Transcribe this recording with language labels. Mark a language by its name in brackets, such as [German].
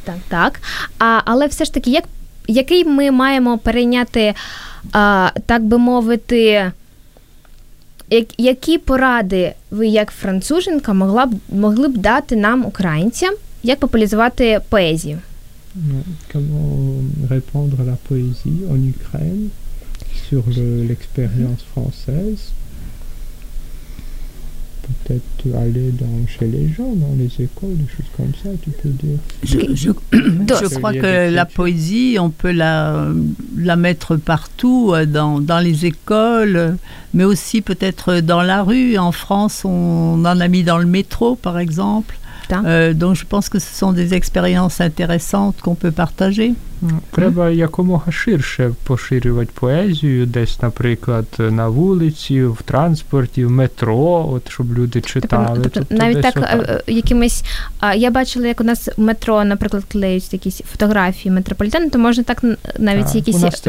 [Ukrainian] Так. Але все ж таки, який ми маємо перейняти, так би мовити, які поради ви, як француженка, могли б дати нам, українцям, як популяризувати поезію? [French] Comment répondre à la poésie en Ukraine sur l'expérience française? Peut-être aller dans chez les gens, dans les écoles, des choses comme ça, tu peux dire. Je crois que la poésie, on peut la mettre partout, dans les écoles, mais aussi peut-être dans la rue. En France, on en a mis dans le métro, par exemple. Donc je pense que ce sont des expériences intéressantes qu'on peut partager. [Ukrainian] Треба якомога ширше поширювати поезію, десь, наприклад, на вулиці, в транспорті, в метро, от щоб люди читали. Тобто, навіть так, я бачила, як у нас в метро, наприклад, клеють якісь фотографії метрополітену, то можна так навіть якісь відривки.